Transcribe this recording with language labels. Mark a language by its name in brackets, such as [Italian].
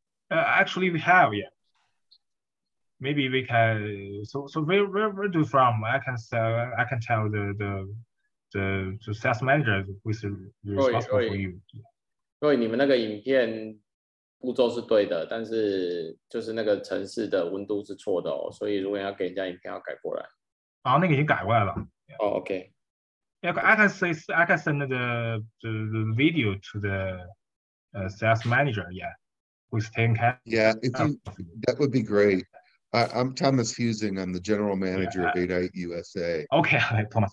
[English] Actually, we have, yeah. Maybe we can. So where do you from? I can tell the sales manager who is responsible for you. [Chinese] 所以你们那个影片步骤是对的，但是就是那个程式的温度是错的哦。所以如果要给人家影片，要改过来。啊，那个已经改过来了。哦、oh, ，OK。 [English] Yeah, I can send the video to the sales manager. Yeah, who's taking care. Yeah, if you, that would be great. I'm Thomas Husing. I'm the general manager of Aidite USA. Okay, Thomas.